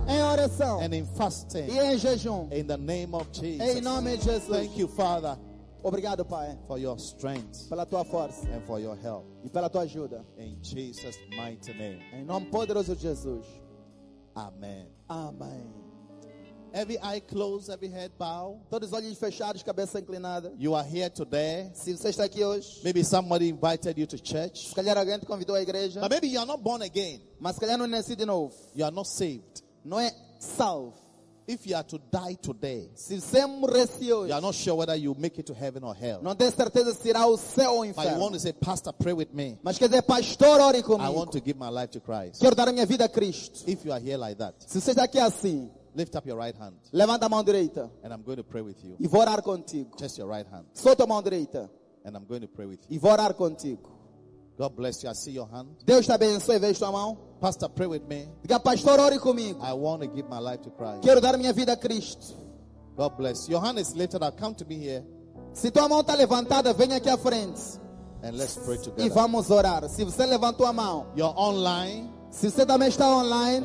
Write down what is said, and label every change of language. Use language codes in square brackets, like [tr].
[pt] Em oração. [en] And in fasting. [pt] E em jejum. [en] In the name of Jesus. [pt] Em nome de Jesus. [en] Thank you, Father. [pt] Obrigado, Pai. [en] For your strength. [pt] Pela tua força. [en] And for your help. [pt] E pela tua ajuda. [en] In Jesus' mighty name. [pt] Em nome poderoso de Jesus. [en] Amen. [pt] Amen. [en] Every eye closed, every head bow. [pt] Todos os olhos fechados, cabeça inclinada. [en] You are here today. [pt] Se você está aqui hoje. [en] Maybe somebody invited you to church. [pt] Se calhar alguém te convidou à igreja. [en] But maybe you are not born again. [pt] Mas se calhar não nasci de novo. [en] You are not saved. [pt] Não é salvo. [en] If you are to die today, [pt] se você morresse hoje, [en] you are not sure whether you make it to heaven or hell. [pt] Não tenho certeza se irá ao céu ou ao inferno. [en] But you want to say, Pastor, pray with me. [pt] Mas quer dizer, pastor, ore comigo. [en] I want to give my life to Christ. [pt] Quero dar a minha vida a Cristo. [en] If you are here like that, [pt] se você está aqui assim. [en] Lift up your right hand. [pt] Levanta a mão direita. [en] And I'm going to pray with you. [pt] E vou orar contigo. [en] Just your right hand. [pt] Solta a mão direita. [en] And I'm going to pray with you. [pt] E vou orar contigo. [en] God bless you. I see your hand. [pt] Deus te abençoe. Vejo tua mão. [en] Pastor, pray with me. [pt] Diga, pastor, ore comigo. [en] I want to give my life to Christ. [pt] Quero dar minha vida a Cristo. [en] God bless. Your hand is lifted up. Come to me here. [pt] Se tua mão está levantada, vem aqui à frente. [en] And let's pray together. [pt] E vamos orar. Se você levantou a mão, [en] you're online. [pt] Se você também está online,